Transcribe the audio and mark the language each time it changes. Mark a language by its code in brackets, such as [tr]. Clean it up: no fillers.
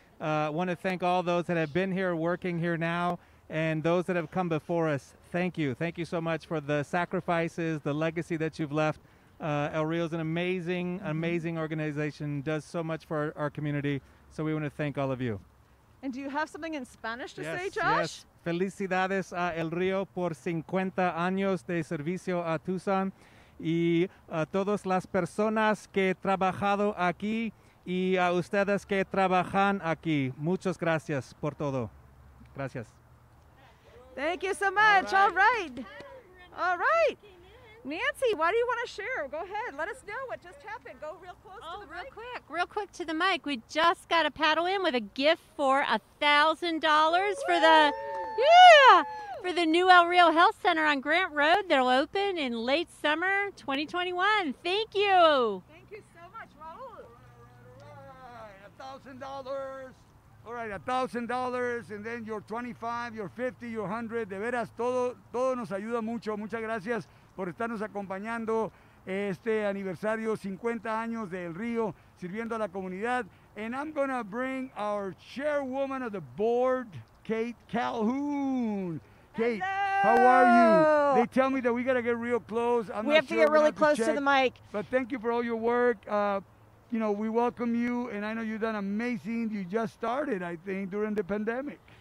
[en] Want to thank all those that have been here, working here now, and those that have come before us. Thank you. Thank you so much for the sacrifices, the legacy that you've left. El Rio is an amazing, amazing organization, does so much for our community. So we want to thank all of you. And do you have something in Spanish to say, Josh? Yes. [es] Felicidades a El Rio por 50 años de servicio a Tucson. Y a todas las personas que he trabajado aquí. Y a ustedes que trabajan aquí, muchas gracias por todo. Gracias. [en] Thank you so much. All right. Nancy, why do you want to share? Go ahead. Let us know what just happened. Go real close to the mic. Real quick to the mic. We just got a paddle in with a gift for $1,000 for the new El Rio Health Center on Grant Road. That will open in late summer 2021. Thank you. $1,000. All right, $1,000, and then your 25, your 50, your 100. [es] De veras, todo nos ayuda mucho. Muchas gracias por estarnos acompañando este aniversario, 50 años de El Rio, sirviendo a la comunidad. [en] And I'm going to bring our chairwoman of the board, Kate Calhoun. Kate, hello. How are you? They tell me that we got to get real close. We have to get really close to the mic. But thank you for all your work. You know, we welcome you, and I know you've done amazing. You just started, I think, during the pandemic.